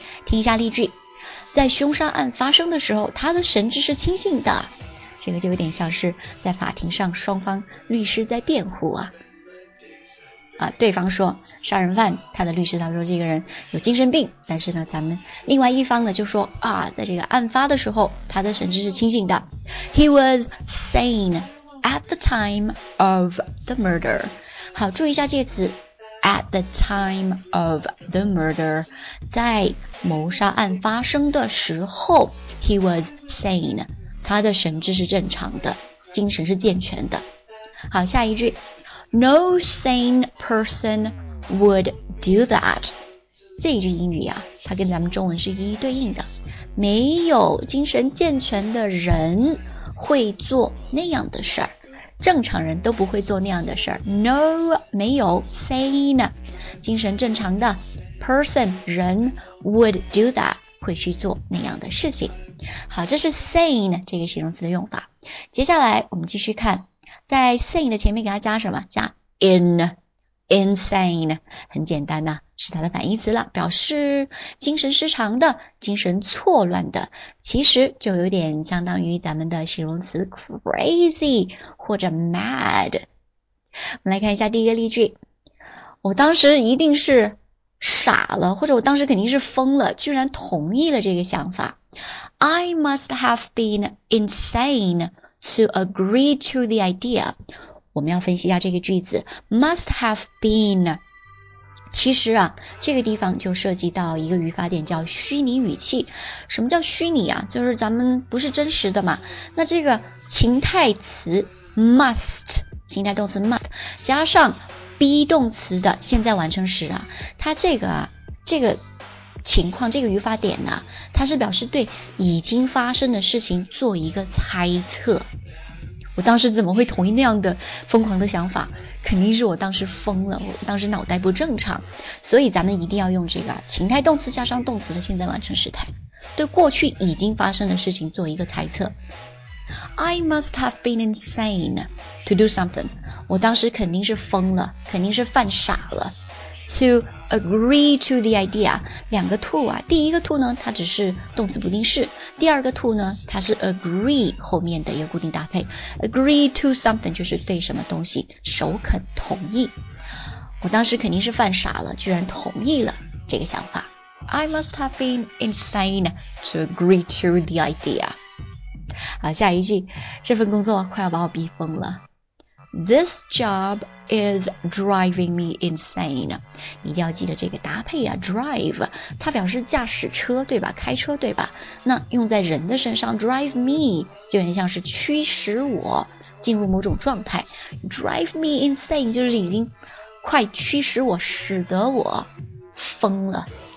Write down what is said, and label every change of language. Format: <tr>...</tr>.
<zh>听一下例句，在凶杀案发生的时候，他的神志是清醒的。这个就有点像是在法庭上双方律师在辩护啊。对方说杀人犯，他的律师他说这个人有精神病，但是呢咱们另外一方呢就说啊，在这个案发的时候他的神志是清醒的。</zh> <en>He was sane at the time of the murder.</en> <zh>好，注意一下这个词</zh> <en>at the time of the murder,</en> <zh>在谋杀案发生的时候</zh> <en>He was sane,</en> <zh>他的神志是正常的，精神是健全的。好，下一句，</zh> <en>No sane person would do that.</en> <zh>这一句英语啊，它跟咱们中文是一一对应的。没有精神健全的人会做那样的事儿，正常人都不会做那样的事儿。 No, 没有 sane, 精神正常的 person, 人</zh> <en>would do that,</en> <zh>会去做那样的事情。好，这是 sane 这个形容词的用法。接下来我们继续看，在 sane 的前面给它加什么？加 insane, 很简单啊，是它的反义词了，表示精神失常的、精神错乱的，其实就有点相当于咱们的形容词 crazy 或者 mad。我们来看一下第一个例句，我当时一定是傻了，或者我当时肯定是疯了，居然同意了这个想法。</zh> <en>I must have been insaneTo agree to the idea,</en> <zh>我们要分析一下这个句子</zh> <en>must have been.</en> <zh>其实啊，这个地方就涉及到一个语法点，叫虚拟语气。什么叫虚拟啊？就是咱们不是真实的嘛。那这个情态词 must, 情态动词 must, 加上 be 动词的现在完成时啊，它这个啊，这个情况，这个语法点呢，它是表示对已经发生的事情做一个猜测。我当时怎么会同意那样的疯狂的想法？肯定是我当时疯了，我当时脑袋不正常。所以咱们一定要用这个情态动词加上动词的现在完成时态，对过去已经发生的事情做一个猜测。</zh> <en>I must have been insane to do something.</en> <zh>我当时肯定是疯了，肯定是犯傻了。</zh> <en>To agree to the idea,</en> <zh>两个 to 啊，第一个 to 呢，它只是动词不定式，第二个 to 呢，它是 agree 后面的一个固定搭配。</zh> <en>Agree to something</en> <zh>就是对什么东西首肯同意。我当时肯定是犯傻了，居然同意了这个想法。</zh> <en>I must have been insane to agree to the idea.</en> <zh>好，下一句，这份工作快要把我逼疯了。</zh> <en>This job is driving me insane.</en> <zh>一定要记得这个搭配啊， drive, 它表示驾驶车对吧，开车对吧，那用在人的身上， drive me 就有点像是驱使我进入某种状态，</zh> <en>drive me insane</en> <zh>就是已经快驱使我，使得我疯了。</zh>